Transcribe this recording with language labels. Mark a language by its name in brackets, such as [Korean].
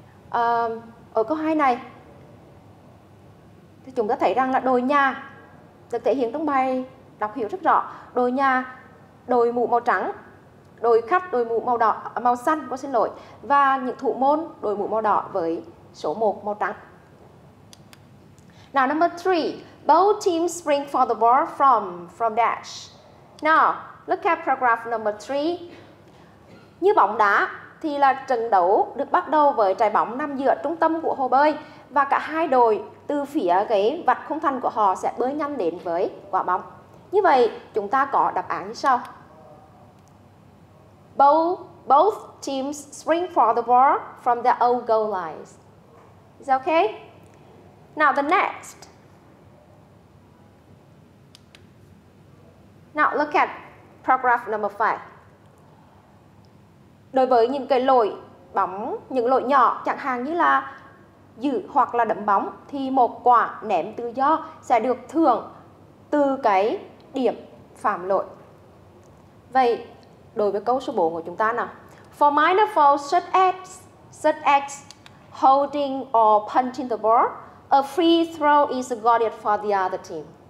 [Vietnamese] Ở câu 2 này, thì chúng ta thấy rằng là đội nhà được thể hiện trong bài đọc hiểu rất rõ. Đội nhà, đội mũ màu trắng, đội khách đội mũ màu đỏ màu xanh, cô xin lỗi, và những thủ môn đội mũ màu đỏ với số 1 màu trắng. [English] Now number 3, both teams spring for the ball from dash. Now look at paragraph number 3. [Vietnamese] Như bóng đá thì là trận đấu được bắt đầu với trái bóng nằm giữa trung tâm của hồ bơi, và cả hai đội từ phía cái vạch khung thành của họ sẽ bơi nhanh đến với quả bóng. Như vậy chúng ta có đáp án như sau. [English] Both teams spring for the ball from their own goal lines. Is that okay? Now the next. Now look at paragraph number 5. [Vietnamese] Đối với những cái lỗi bóng, những lỗi nhỏ, chẳng hạn như là giữ hoặc là đấm bóng thì một quả ném tự do sẽ được thưởng từ cái điểm phạm lỗi. Vậy đối với câu số 4 của chúng ta nào. [English] For minor fouls such as holding or punching the ball, a free throw is awarded for the other team.